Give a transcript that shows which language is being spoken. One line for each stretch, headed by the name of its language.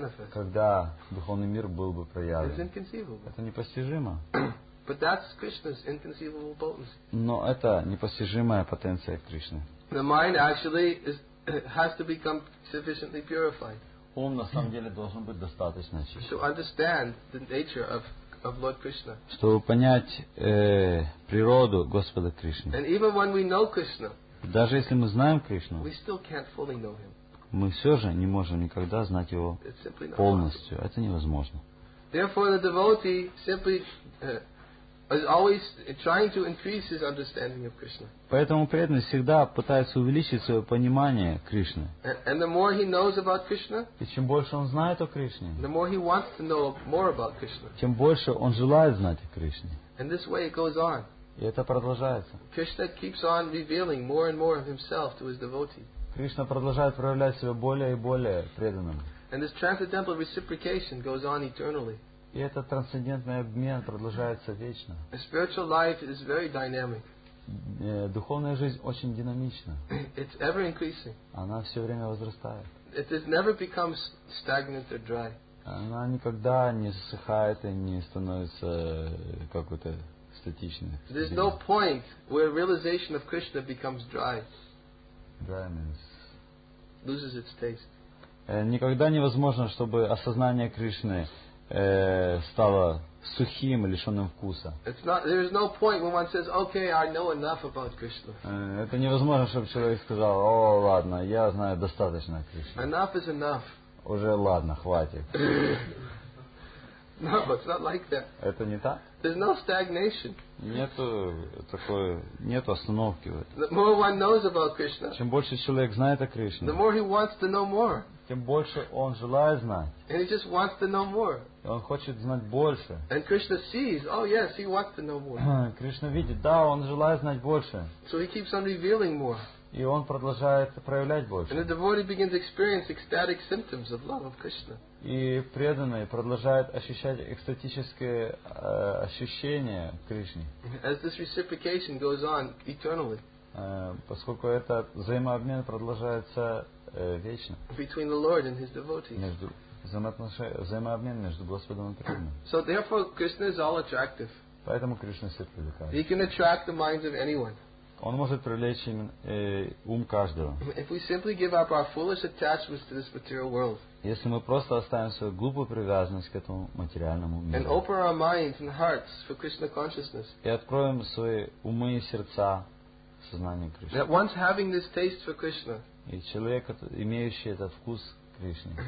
Russian: когда духовный мир был бы проявлен. Это непостижимо.
English: But that's Krishna's inconceivable potency.
Russian: Но это непостижимая потенция Кришны.
English: The mind actually has to become sufficiently purified.
Russian: Ум на самом деле должен быть достаточно чист.
English: To understand the nature of Lord Krishna.
Russian: Чтобы понять природу Господа Кришны.
English: And even when we know Krishna,
Russian: даже если мы знаем Кришну,
English: we still can't fully know him.
Russian: Мы все же не можем никогда знать его полностью.
English: Possible.
Russian: Это невозможно.
English: Therefore, the devotee simply is always trying to increase his understanding of Krishna.
Russian: Поэтому преданный всегда пытается увеличить свое понимание Кришны.
English: And the more he knows about Krishna,
Russian: и чем больше он знает о Кришне,
English: the more he wants to know more about Krishna.
Russian: Тем больше он желает знать о Кришне.
English: And this way it goes on.
Russian: И это продолжается.
English: Krishna keeps on revealing more and more of himself to his devotee.
Russian: Кришна продолжает проявлять себя более и более преданным.
English: And this transcendental reciprocation goes on eternally.
Russian: И этот трансцендентный обмен продолжается вечно.
English: A spiritual life is very dynamic.
Russian: Духовная жизнь очень динамична.
English: It's ever increasing.
Russian: Она все время возрастает.
English: It has never become stagnant or dry.
Russian: Она никогда не засыхает и не становится какой-то.
English: There's no point where realization of Krishna becomes dry. Dry means loses its taste.
Russian: Никогда невозможно, чтобы осознание Кришны стало сухим и лишенным вкуса.
English: It's not. There is no point when one says, "Okay, I know enough about Krishna."
Russian: Это невозможно, чтобы человек сказал: "О, ладно, я знаю достаточно о Кришне."
English: Enough is enough.
Russian: Уже ладно, хватит.
English: No, it's not like that.
Russian: Это не так.
English: There's no stagnation.
Russian: Нету такой, нету остановки в этом.
English: The more one knows about Krishna,
Russian: чем больше человек знает о Кришне,
English: the more he wants to know more.
Russian: тем больше он желает знать.
English: And he just wants to know more.
Russian: И он хочет знать больше.
English: And Krishna sees, oh yes, he wants to know more.
Russian: Кришна видит, да, он желает знать больше.
English: So he keeps on revealing more.
Russian: И он продолжает проявлять больше.
English: And the devotee begins to experience ecstatic symptoms of love of Krishna.
Russian: И преданный продолжает ощущать экстатическое ощущение в Кришне.
English: As this reciprocation goes on eternally.
Russian: Поскольку этот взаимообмен продолжается вечно.
English: Between the Lord and his devotees.
Russian: Между взаимообмен между Господом и преданным.
English: So therefore, Krishna is all attractive.
Russian: Поэтому Кришна все привлекает.
English: He can attract the minds of anyone.
Russian: Он может привлечь ум каждого.
English: If we simply give up our foolish attachments to this material world.
Russian: Если мы просто оставим свою глупую привязанность к этому материальному миру.
English: And open our minds and hearts for Krishna consciousness.
Russian: И откроем свои умы и сердца.
English: That once having this taste for Krishna,
Russian: и человек, имеющий этот вкус Кришне,